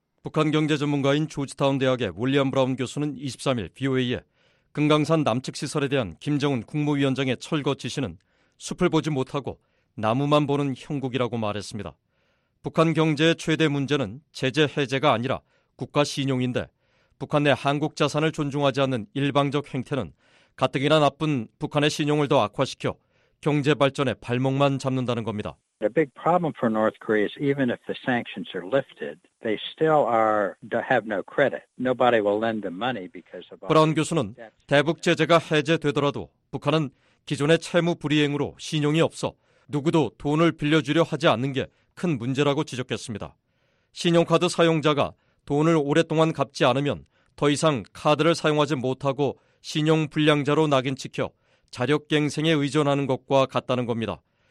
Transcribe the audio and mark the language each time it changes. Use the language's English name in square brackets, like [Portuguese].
[Korean] 북한 경제 전문가인 조지타운 대학의 윌리엄 브라운 교수는 23일 BOA에 금강산 남측 시설에 대한 김정은 국무위원장의 철거 지시는 숲을 보지 못하고 나무만 보는 형국이라고 말했습니다. 북한 경제의 최대 문제는 제재 해제가 아니라 국가 신용인데 북한 내 한국 자산을 존중하지 않는 일방적 행태는 가뜩이나 나쁜 북한의 신용을 더 악화시켜 경제 발전에 발목만 잡는다는 겁니다. [English] The big problem for North Korea is even if the sanctions are lifted, they still are have no credit. Nobody will lend them money because of all. [Korean] 브라운 교수는 대북 제재가 해제되더라도 북한은 기존의 채무 불이행으로 신용이 없어 누구도 돈을 빌려주려 하지 않는 게 큰 문제라고 지적했습니다. 신용카드 사용자가 돈을 오랫동안 갚지 않으면 더 이상 카드를 사용하지 못하고 신용불량자로 낙인찍혀 자력갱생에 의존하는 것과 같다는 겁니다.